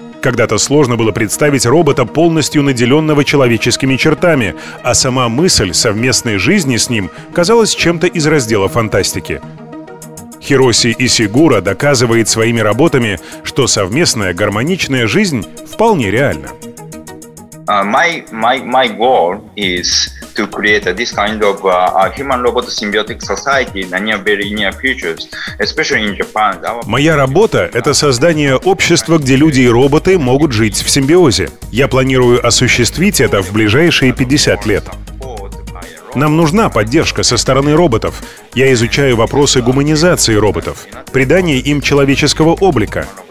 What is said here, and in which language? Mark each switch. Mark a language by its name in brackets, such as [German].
[Russian] Когда-то сложно было представить робота, полностью наделенного человеческими чертами, а сама мысль совместной жизни с ним казалась чем-то из раздела фантастики. Хироси Исигура доказывает своими работами, что совместная гармоничная жизнь вполне реальна. [English] My goal is to create this kind of human-robot symbiotic society in the very near future, especially in Japan. [Russian] Моя работа — это создание общества, где люди и роботы могут жить в симбиозе. Я планирую осуществить это в ближайшие 50 лет. Нам нужна поддержка со стороны роботов. Я изучаю вопросы гуманизации роботов, придания им человеческого облика.